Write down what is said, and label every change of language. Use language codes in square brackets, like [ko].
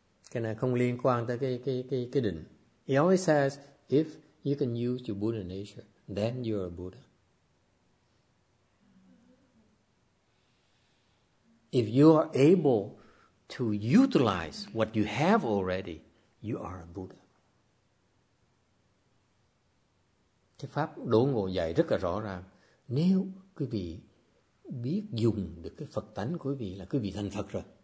[vi] Cái này không liên quan tới cái định. [en] He always says, if you can use your Buddha nature, then you're a Buddha. If you are able to utilize what you have already, you are a Buddha. [vi] Cái pháp đốn ngộ dạy rất là rõ ràng. Nếu quý vị biết dùng được cái Phật tánh của quý vị là quý vị thành Phật rồi.